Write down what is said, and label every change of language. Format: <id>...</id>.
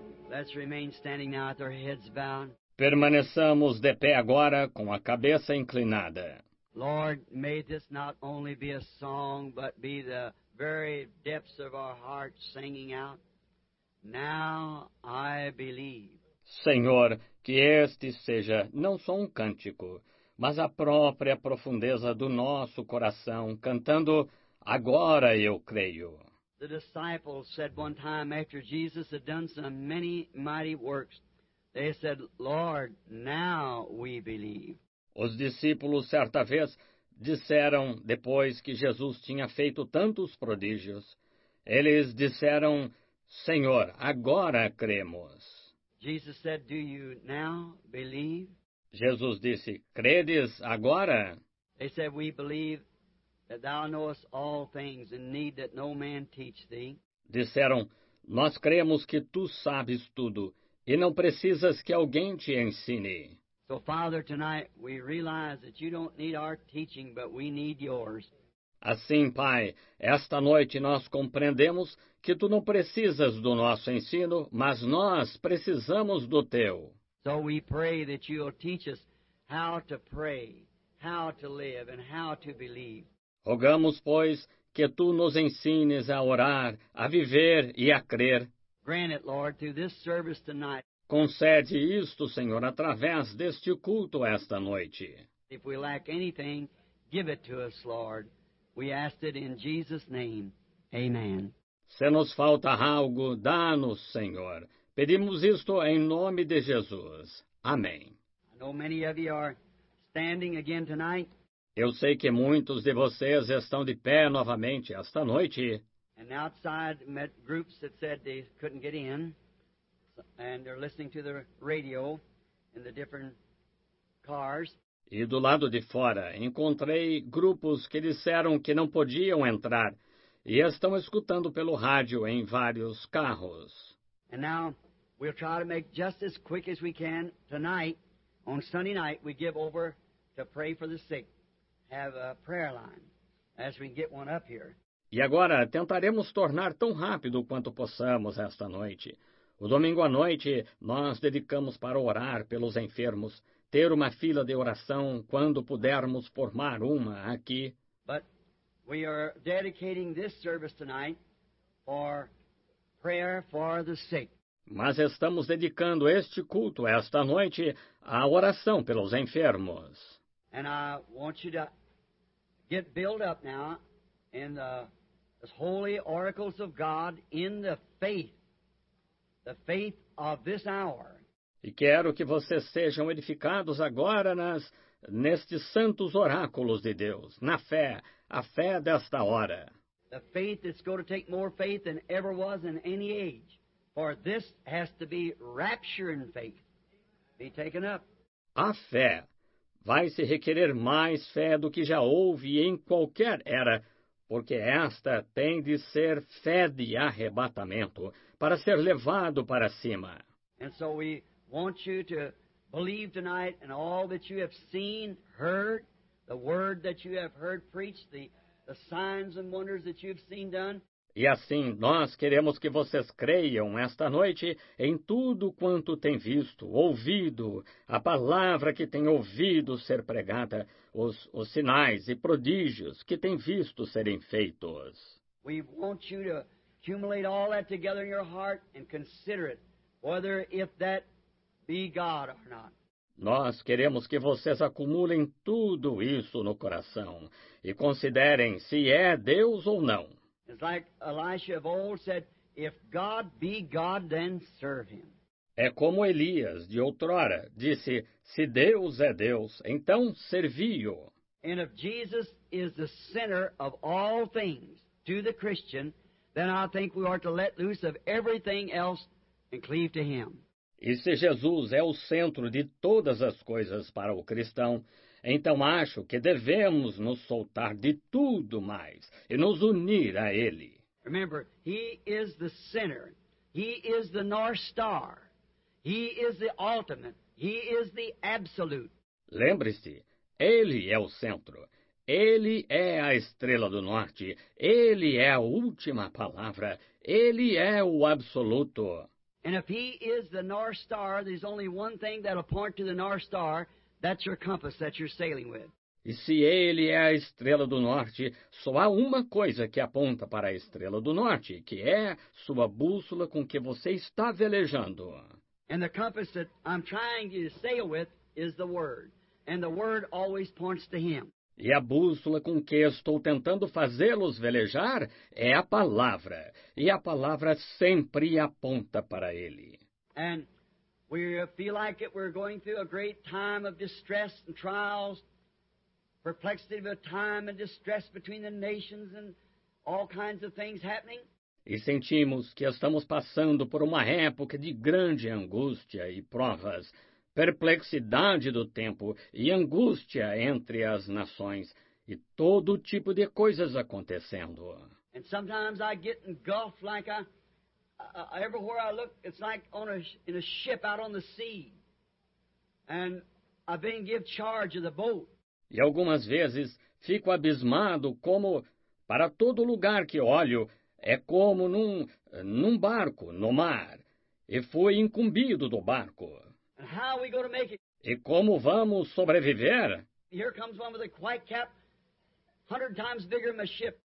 <en>Let's remain standing now with our heads bowed.</en> <pt>Permaneçamos de pé agora com a cabeça inclinada.</pt> <en>Lord, may this not only be a song, but be the very depths of our hearts singing out. Now I believe.</en> <pt>Senhor, que este seja não só um cântico, mas a própria profundeza do nosso coração cantando Agora eu creio.</pt> <en>The disciples said one time after Jesus had done some many mighty works, they said, Lord, now we believe.</en> <pt>Os discípulos certa vez disseram, depois que Jesus tinha feito tantos prodígios, eles disseram, Senhor, agora cremos.</pt> <en>Jesus said, do you now believe?</en> <pt>Jesus disse, credes agora?</pt> <en>They said, we believe that thou knowest all things and need that no man teach thee.</en> <pt>Disseram, nós cremos que tu sabes tudo e não precisas que alguém te ensine.</pt> <en>So, Father, tonight we realize that you don't need our teaching, but we need yours.</en> <pt>Assim, Pai, esta noite nós compreendemos que tu não precisas do nosso ensino, mas nós precisamos do teu.</pt> <en>So we pray that you will teach us how to pray, how to live, and how to believe.</en> <pt>Rogamos, pois, que tu nos ensines a orar, a viver e a crer.</pt> <en>Grant it, Lord, through this service tonight.</en> <pt>Concede isto, Senhor, através deste culto esta noite.</pt> <en>If we lack anything, give it to us, Lord. We ask it in Jesus' name. Amen.</en> <pt>Se nos falta algo, dá-nos, Senhor. Pedimos isto em nome de Jesus. Amém.</pt> <en>I know many of you are standing again tonight.</en> <pt>Eu sei que muitos de vocês estão de pé novamente esta noite.</pt> <en>And outside met groups that said they couldn't get in. And they're listening to the radio in the different cars.</en> <pt>E do lado de fora, encontrei grupos que disseram que não podiam entrar e estão escutando pelo rádio em vários carros.</pt> <en>And now, we'll try to make just as quick as we can tonight, on Sunday night, we give over to pray for the sick. Have a prayer line, as we can get one up here.</en> <pt>E agora, tentaremos tornar tão rápido quanto possamos esta noite. O domingo à noite, nós dedicamos para orar pelos enfermos, ter uma fila de oração quando pudermos formar uma aqui.</pt> <en>But we are dedicating this service tonight for prayer for the sick.</en> <pt>Mas estamos dedicando este culto esta noite à oração pelos enfermos.</pt> <en>And I want you to get built up now in the holy oracles of God in the faith of this hour.</en> <pt>E quero que vocês sejam edificados agora nestes santos oráculos de Deus, na fé, a fé desta hora.</pt> <en>The faith that's going to take more faith than ever was in any age, for this has to be rapture in faith. be taken up.</en> <pt>A fé. Vai se requerer mais fé do que já houve em qualquer era, porque esta tem de ser fé de arrebatamento, para ser levado para cima.</pt> <en>And so we want you to believe tonight in all that you have seen, heard, the word that you have heard preached, the signs and wonders that you've seen done.</en> <pt>E assim, nós queremos que vocês creiam esta noite em tudo quanto têm visto, ouvido, a palavra que têm ouvido ser pregada, os sinais e prodígios que têm visto serem feitos.</pt> <en>We want you to accumulate all that together in your heart and consider it, whether if that be God or not.</en> <pt>Nós queremos que vocês acumulem tudo isso no coração e considerem se é Deus ou não.</pt> <en>It's like Elisha of old said, if God be God, then serve him.</en> <pt>É como Elias de outrora disse, se Deus é Deus, então servi-o.</pt> <en>And if Jesus is the center of all things to the Christian, then I think we are to let loose of everything else and cleave to him.</en> <pt>E se Jesus é o centro de todas as coisas para o cristão, então acho que devemos nos soltar de tudo mais e nos unir a Ele.</pt> <en>Remember, He is the center. He is the North Star. He is the ultimate. He is the absolute.</en> <pt>Lembre-se, Ele é o centro. Ele é a estrela do norte. Ele é a última palavra. Ele é o absoluto.</pt> <en>And if He is the North Star, there's only one thing that will point to the North Star. That's your compass that you're sailing with.</en> <pt>E se Ele é a estrela do norte, só há uma coisa que aponta para a estrela do norte, que é sua bússola com que você está velejando.</pt> <en>And the compass that I'm trying to sail with is the Word. And the Word always points to Him.</en> <pt>E a bússola com que estou tentando fazê-los velejar é a palavra. E a palavra sempre aponta para Ele.</pt> <en>And we feel like it, we're going through a great time of distress and trials, perplexity of a time and distress between the nations and all kinds of things happening.</en> <pt>E sentimos que estamos passando por uma época de grande angústia e provas, perplexidade do tempo e angústia entre as nações e todo tipo de coisas acontecendo.</pt> <en>And sometimes I get engulfed like a... everywhere I look, it's like on a, in a ship out on the sea. And I've been given charge of the boat.</en> <pt>E algumas vezes fico abismado como, para todo lugar que olho, é como num barco, no mar. E fui incumbido do barco.</pt> <en>And how are we going to make it?</en> <pt>E como vamos sobreviver?</pt> <en>Here comes one with a white cap, 100 times bigger than my ship.</en>